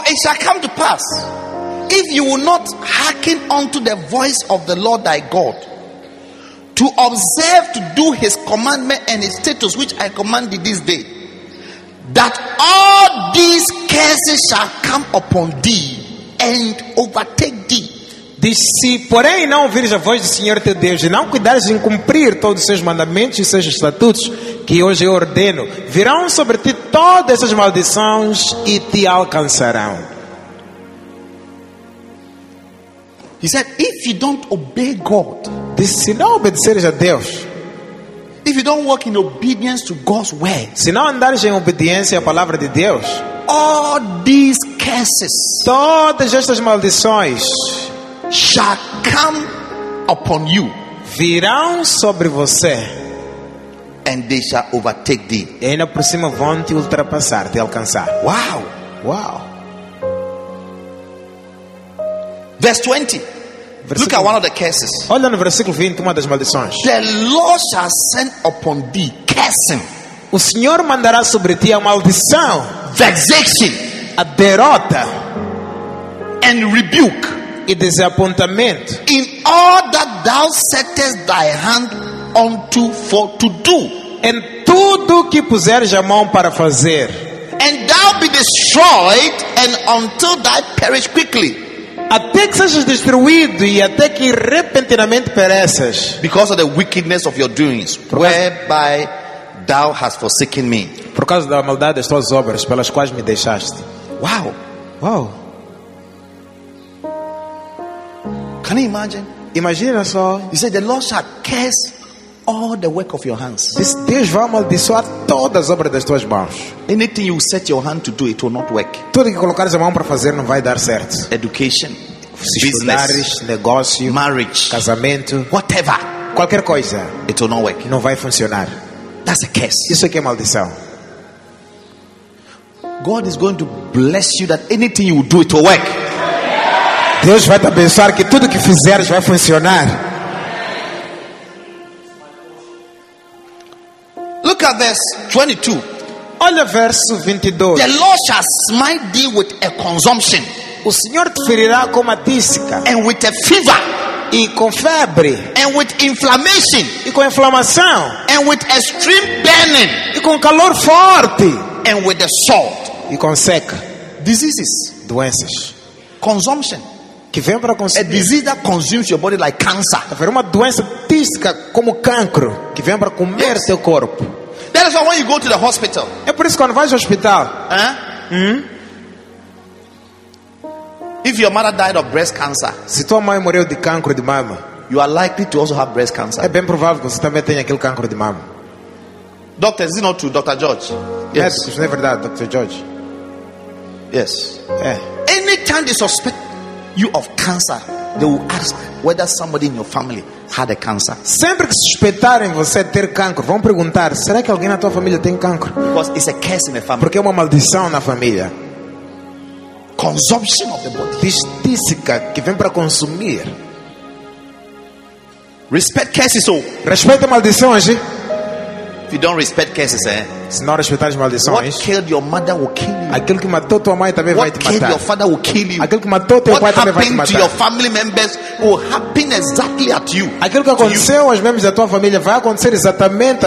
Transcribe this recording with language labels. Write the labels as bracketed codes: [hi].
[en] For it shall come to pass, if you will not hearken unto the voice of the Lord thy God, to observe to do his commandment and his statutes which I command thee this day, that all these curses shall come upon thee and overtake thee. [pt] Diz, se porém não ouvires a voz do Senhor teu Deus e não cuidares em cumprir todos os seus mandamentos e seus estatutos que hoje eu ordeno, virão sobre ti todas essas maldições e te alcançarão. [en] He said, if you don't obey God, [pt] diz, se não obedeceres a Deus, [en] if you don't walk in obedience to God's word, [pt] se não andares em obediência à palavra de Deus, [en] all these curses, [pt] todas estas maldições, [en] shall come upon you, [pt] virão sobre você, [en] and they shall overtake thee, [pt] e ainda por cima vão te ultrapassar, te alcançar. Wow, wow. [en] Verse 20. Look at one of the curses. [pt] Olha no versículo 20, uma das maldições. [en] The Lord shall send upon thee cursing. [pt] O Senhor mandará sobre ti a maldição, [en] vexation, [pt] a derrota, [en] and rebuke, [pt] e desapontamento, [en] in all that thou settest thy hand unto for to do, [pt] em tudo que puseres a mão para fazer, [en] and thou be destroyed and until thou perish quickly, [pt] até que sejas destruído e até que repentinamente pereças, [en] because of the wickedness of your doings whereby thou hast forsaken me, [pt] por causa da maldade das tuas obras pelas quais me deixaste. Wow, wow. [en] Can you imagine? [pt] Imagina só. [en] He said, the Lord shall curse all the work of your hands. [pt] This Deus vai amaldiçoar todas as obras das tuas mãos. [en] Anything you set your hand to do, it will not work. [pt] Tudo que colocares a mão para fazer não vai dar certo. [en] Education, business, [pt] negócio, [en] marriage, [pt] casamento, [en] whatever, [pt] qualquer coisa, [en] it will not work. [pt] Não vai funcionar. [en] That's a curse. [pt] Isso aqui é maldição. [en] God is going to bless you that anything you do, it will work. [pt] Deus vai te abençoar que tudo que fizeres vai funcionar. [en] Look at verse 22. [pt] Olha verso 22. [en] The Lord shall smite thee with a consumption. [pt] O Senhor te ferirá com uma tísica. [en] And with a fever. [pt] E com febre. [en] And with inflammation. [pt] E com inflamação. [en] And with extreme burning. [pt] E com calor forte. [en] And with the sword. [pt] E com seca. [en] Diseases. [pt] Doenças. [en] Consumption. [pt] Que vem para consumir. [en] A disease that consumes your body like cancer. [pt] Uma doença tística como cancro que vem para comer, yes, seu corpo. [en] That is why when you go to the hospital. [pt] É por isso que quando vais ao hospital, [en] if your mother died of breast cancer, [pt] se tua mãe morreu de cancro de mama, [en] you are likely to also have breast cancer. [pt] É bem provável que você também tenha aquele cancro de mama. [en] Doctor, is it not true, Dr. George? Yes. [pt] Isso não é verdade, Dr. George? [en] Yes. [pt] É. [en] Any time they suspect you of cancer, they will ask whether somebody in your family had a cancer. [pt] Sempre que suspeitarem você ter cancro, vão perguntar, será que alguém na tua família tem cancro? [en] Because it's a curse in the family. [pt] Porque é uma maldição na família. [en] consumption of the body. [pt] Física que vem para consumir. [en] Respect curses, oh. [pt] Respeita maldições. [en] If you don't respect curses, eh? [pt] Se não respeitar as maldições. [en] What killed your mother will kill you. [pt] Aquele que matou tua mãe também [en] what [pt] vai te matar. [en] What killed your father will kill you. [pt] Aquele que matou teu [en] what [pt] pai também vai te matar. [en] What happened to your family members will happen exactly at you. [pt] Aquilo que aconteceu aos membros da tua família vai acontecer exatamente